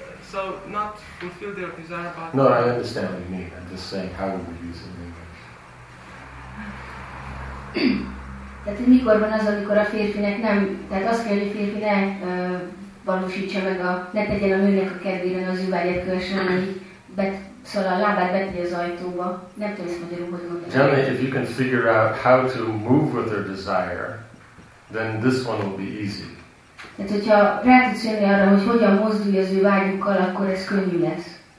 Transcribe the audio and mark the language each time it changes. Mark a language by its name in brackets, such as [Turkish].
[English] So not fulfill their desire, but no, I understand what you mean. I'm just saying, how would we use it in English? [Hungarian] Tehát mikor van az, amikor a férfinek nem, tehát azt kell, hogy a férfi ne valósítsa meg a, ne tegyen a nőnek a kedvére, az ő vágyát kövessen, szóval a lábát beteti az ajtóba, nem tudom, hogy magyarul, hogy [English] mondani. Generally, if you can figure out how to move with their desire, then this one will be easy. [Hungarian] Tehát, hogyha rátudsz arra, hogy hogyan mozdulj az ő vágyukkal, akkor ez könnyű lesz.